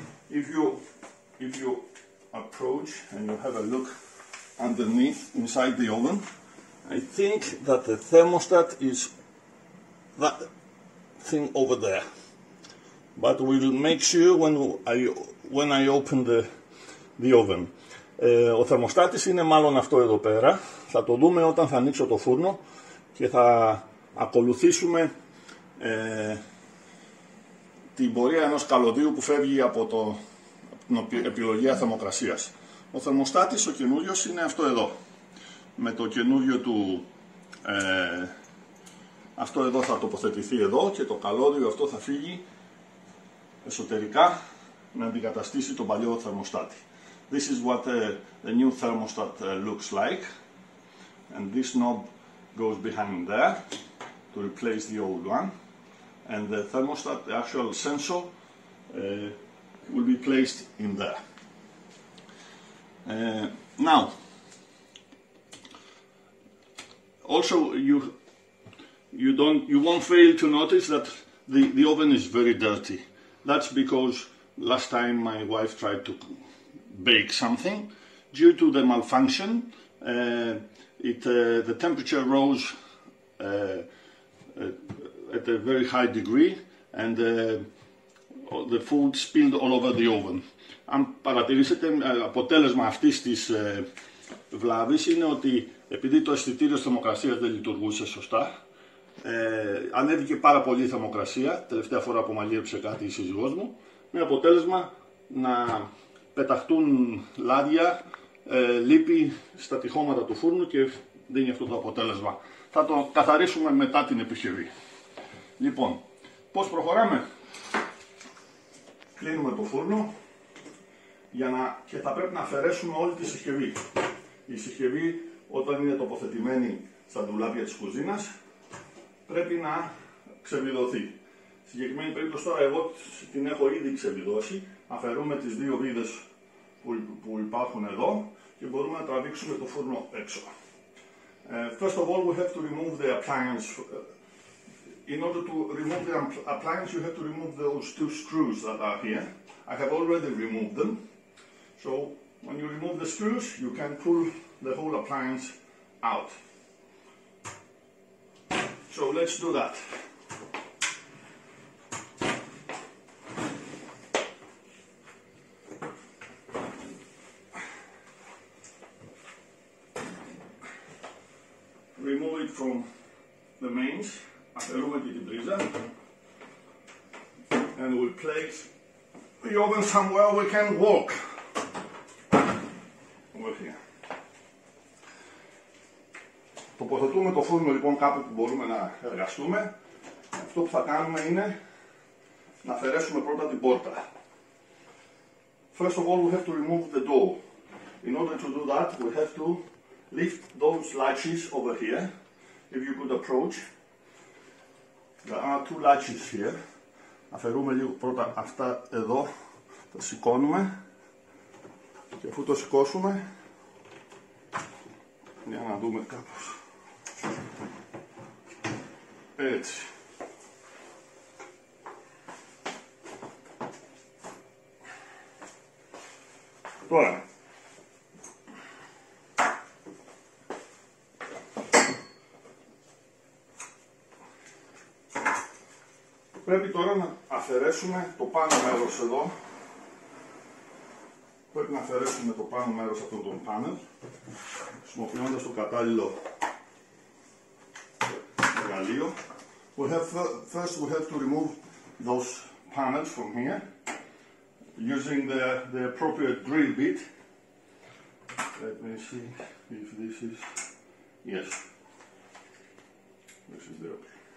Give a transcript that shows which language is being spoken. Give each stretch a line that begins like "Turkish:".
English: If you approach and you have a look underneath inside the oven, I think that the thermostat is that thing over there. But we'll make sure when I open the oven.
Greek: Ο θερμοστάτης είναι μάλλον αυτό εδώ πέρα. Θα το δούμε όταν θα ανοίξω το φούρνο και θα ακολουθήσουμε την πορεία ενός καλωδίου που φεύγει από την επιλογή θερμοκρασίας. Ο θερμοστάτης, ο καινούριος, είναι αυτό εδώ. Με το καινούριο του, αυτό εδώ θα τοποθετηθεί εδώ και το καλώδιο αυτό θα φύγει εσωτερικά να αντικαταστήσει τον παλιό θερμοστάτη.
English: This is what the new thermostat looks like. And this knob goes behind there to replace the old one. And the thermostat, the actual sensor, will be placed in there. Now, also you won't fail to notice that the oven is very dirty. That's because last time my wife tried to bake something. Due to the malfunction, the temperature rose at a very high degree and the food spilled all over the oven.
Greek: Αν παρατηρήσετε, αποτέλεσμα αυτής της βλάβης είναι ότι επειδή το αισθητήριο θερμοκρασίας δεν λειτουργούσε σωστά, ανέβηκε πάρα πολύ η θερμοκρασία, τελευταία φορά που μαλλίεψε κάτι η σύζυγός μου, με αποτέλεσμα να πεταχτούν λάδια, λίπη στα τυχώματα του φούρνου και δίνει αυτό το αποτέλεσμα. Θα το καθαρίσουμε μετά την επισκευή. Λοιπόν, πώς προχωράμε? Κλείνουμε το φούρνο και θα πρέπει να αφαιρέσουμε όλη τη συσκευή. Η συσκευή, όταν είναι τοποθετημένη στα ντουλάπια της κουζίνας, πρέπει να ξεβιδωθεί. Στη συγκεκριμένη περίπτωση τώρα εγώ την έχω ήδη ξεβιδώσει. Αφαιρούμε τις δύο βίδες που υπάρχουν εδώ και μπορούμε να τραβήξουμε το φούρνο έξω.
English: First of all, we have to remove the appliance. In order to remove the appliance, you have to remove those two screws that are here. I have already removed them. So, when you remove the screws, you can pull the whole appliance out. So let's do that. Remove it from the mains,
Greek: αφαιρούμε και την πρίζα,
English: and we'll place the oven somewhere we can walk.
Greek: Τοποθετούμε το φούρνο λοιπόν κάπου που μπορούμε να εργαστούμε. Αυτό που θα κάνουμε είναι να αφαιρέσουμε πρώτα την πόρτα.
English: First of all, we have to remove the door. In order to do that, we have to lift those latches over here. If you could approach. There are two latches here.
Greek: Αφαιρούμε λίγο πρώτα αυτά εδώ. Τα σηκώνουμε. Και αφού το σηκώσουμε, για να δούμε κάπως. Έτσι. Τώρα, πρέπει τώρα να αφαιρέσουμε το πάνω μέρος εδώ. Πρέπει να αφαιρέσουμε το πάνω μέρος αυτών των πάνελ, χρησιμοποιώντας το κατάλληλο εργαλείο.
English: First we have to remove those panels from here using the appropriate drill bit. Let me see if this is... Yes. This is the okay.